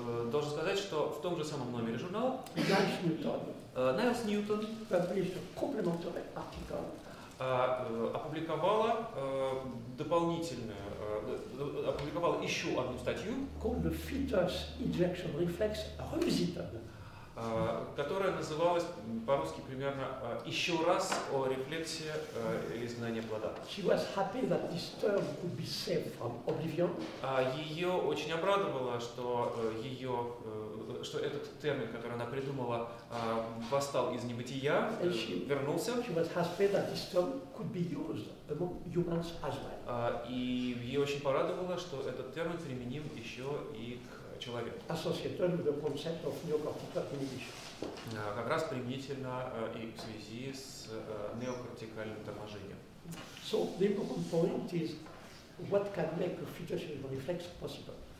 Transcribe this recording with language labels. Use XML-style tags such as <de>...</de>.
<ru>Должен сказать, что в том же самом номере журнала</ru> <en>Niles Newton, Niles Newton published a complimentary article.</en> <ru>Опубликовала дополнительную, опубликовала еще одну статью</ru> <en>called the fetus ejection reflex revisited.</en> <ru>Которая называлась по-русски примерно «Еще раз о рефлексе изгнания плода».</ru> <en>She was happy that this term could be saved from oblivion.</en> <ru>Ее очень обрадовало, что что этот термин, который она придумала, восстал из небытия, вернулся.</ru> <en>She was happy that this term could be used among humans as well.</en> <ru>И ее очень порадовало, что этот термин применим еще и к</ru> <en>associated with the concept of neocortical inhibition.</en> <ru>Как раз применительно и в связи с неокортикальным торможением.</ru> <en>So the important point is what can make a fetus reflex possible.</en>